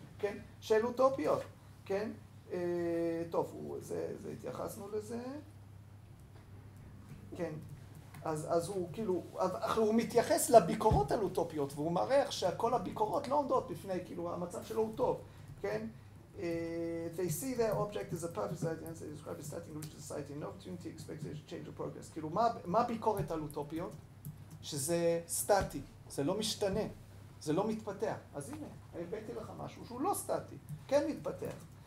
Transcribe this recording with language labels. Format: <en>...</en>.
<he>כן? של אוטופיות, כן? טוב, זה התייחסנו לזה. כן. אז הוא כאילו, הוא מתייחס לביקורות על אוטופיות, והוא מראה שכל הביקורות לא עומדות בפני, כאילו, המצב שלו הוא טוב, כן?</he> <en>They see their object as a perfect idea and they describe a starting point of society, no opportunity expects it to change or progress.</en> <he>כאילו, מה ביקורת על אוטופיות? שזה סטטי, זה לא משתנה, זה לא מתפתח. אז הנה, הבאתי לך משהו שהוא לא סטטי, כן מתפתח.</he>